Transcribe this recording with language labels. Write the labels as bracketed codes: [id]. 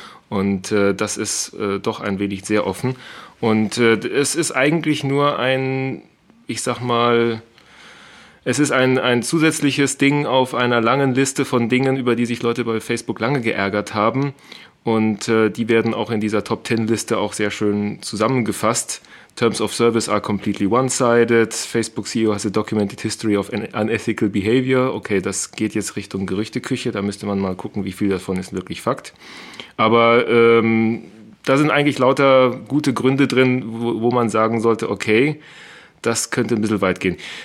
[de] Und das ist doch ein wenig sehr offen. Und es ist eigentlich nur ein, ich sag mal, es ist ein zusätzliches Ding auf einer langen Liste von Dingen, über die sich Leute bei Facebook lange geärgert haben. Und die werden auch in dieser Top-10-Liste auch sehr schön zusammengefasst. [en] Terms of service are completely one-sided. Facebook CEO has a documented history of unethical behavior. [de] Okay, das geht jetzt Richtung Gerüchteküche. Da müsste man mal gucken, wie viel davon ist wirklich Fakt. Aber da sind eigentlich lauter gute Gründe drin, wo man sagen sollte, okay, das könnte ein bisschen weit gehen.